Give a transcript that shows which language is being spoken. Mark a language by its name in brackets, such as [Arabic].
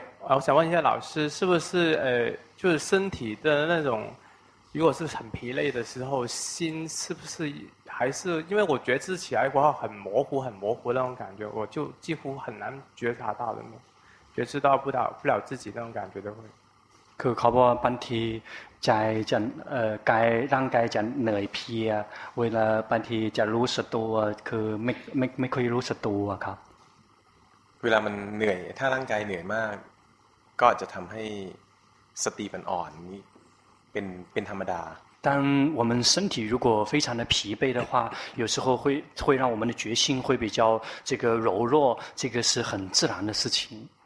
[Chinese] 我想问一下老师是不是就是身体的那种如果是很疲累的时候心是不是还是因为我觉知起来过后很模糊很模糊那种感觉我就几乎很难觉察到的觉知到不了自己那种感觉的会 [Thai] คือเขาบอกว่าบางทีใจจะกายร่างกายจะเหนื่อยเพียเวลาบางทีจะรู้สึกตัวคือไม่ค่อยรู้สึกตัวครับ เวลามันเหนื่อยถ้าร่างกายเหนื่อยมากก็จะทำให้สติมันอ่อนเป็นธรรมดา [Chinese] 当我们身体如果非常的疲惫的话有时候会让我们的决心会比较这个柔弱这个是很自然的事情